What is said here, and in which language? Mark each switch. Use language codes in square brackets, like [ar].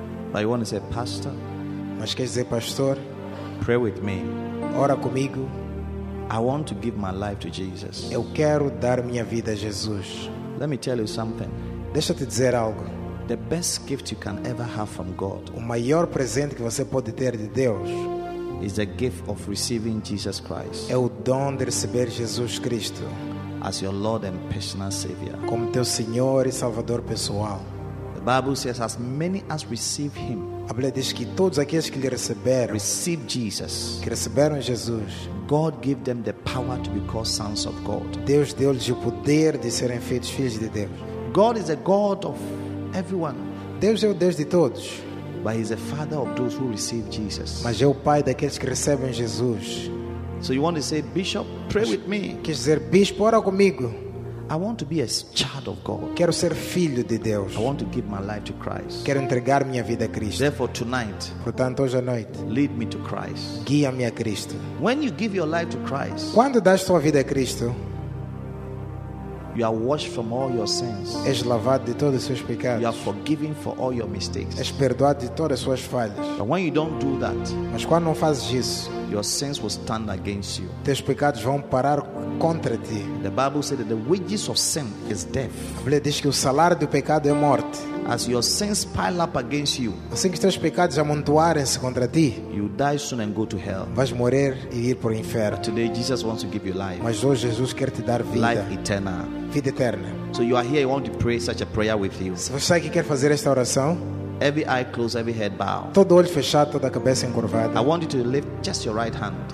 [en] But you want to say pastor? [pt] Mas queres dizer pastor? [en] Pray with me. [pt] Ora comigo. [en] I want to give my life to Jesus. [pt] Eu quero dar minha vida a Jesus. [en] Let me tell you something. [pt] Deixa-te dizer algo. [en] The best gift you can ever have from God. [pt] O maior presente que você pode ter de Deus. [en] Is the gift of receiving Jesus Christ. [pt] É o dom de receber Jesus Cristo. [en] As your Lord and personal Savior. [pt] Como teu Senhor e Salvador pessoal. [en] The Bible says, as many as receive Him. [pt] A Bíblia diz que todos aqueles que lhe receberam, [en] receive Jesus, [pt] que receberam Jesus, [en] God gave them the power to be called sons of God. [pt] Deus deu-lhes o poder de serem feitos filhos de Deus. [en] God is a God of everyone. [pt] Deus é o Deus de todos. [en] But He is the Father of those who receive Jesus. [pt] Mas é o Pai daqueles que recebem Jesus. [en] So you want to say, Bishop, pray with me. [pt] Quer dizer, Bispo, ora comigo. [en] I want to be a child of God. [pt] Quero ser filho de Deus. [en] I want to give my life to Christ. [pt] Quero entregar minha vida a Cristo. [en] Therefore tonight, [pt] portanto hoje à noite, [en] lead me to Christ. [pt] Guia-me a Cristo. [en] When you give your life to Christ, [pt] quando dás tua vida a Cristo, [en] you are washed from all your sins. [pt] És lavado de todos os seus pecados. [en] You are forgiven for all your mistakes. [pt] És perdoado de todas as suas falhas. [en] But when you don't do that, [pt] mas quando não fazes isso, [en] your sins will stand against you. [pt] Teus pecados vão parar contra ti. [en] The Bible says that the wages of sin is death. [pt] A Bíblia diz que o salário do pecado é morte. [en] As your sins pile up against you, [pt] assim que teus pecados amontoarem-se contra ti, [en] you die soon and go to hell. [pt] Vais morrer e ir para o inferno. [en] But today Jesus wants to give you life. [pt] Mas hoje Jesus quer te dar vida. [en] Life eternal. [pt] Vida eterna. [en] So you are here, I want to pray such a prayer with you. [pt] Se você aqui quer fazer esta oração, [en] every eye closed, every head bowed. [pt] Todo olho fechado, toda cabeça encurvada. [en] I want you to lift just your right hand.